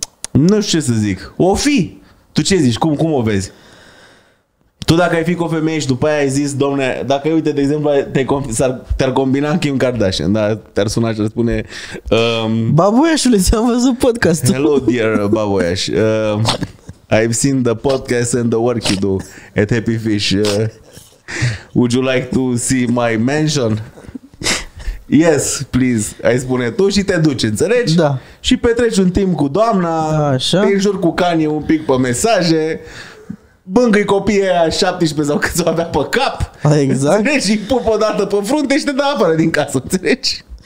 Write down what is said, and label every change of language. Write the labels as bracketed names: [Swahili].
[Romanian] Nu știu ce să zic. O fi. Tu ce zici? Cum o vezi? Tu dacă ai fi cu o femeie și după aia ai zis, domne, dacă uite, de exemplu, te-ar combina Kim Kardashian, da? Te-ar suna și spune... Baboiașule, ți-am văzut podcastul. [English] Hello, dear Baboiaș. I've seen the podcast and the work you do at Happy Fish. Would you like to see my mansion? Yes, please, [Romanian] ai spune tu și te duci, înțelegi? Da. Și petreci un timp cu doamna, așa. Te înjuri cu Kanye un pic pe mesaje, bâncă-i copiii aia 17 sau câți o avea pe cap, exact. Înțelegi? Și pup o dată pe frunte și te dă afară din casă, înțelegi?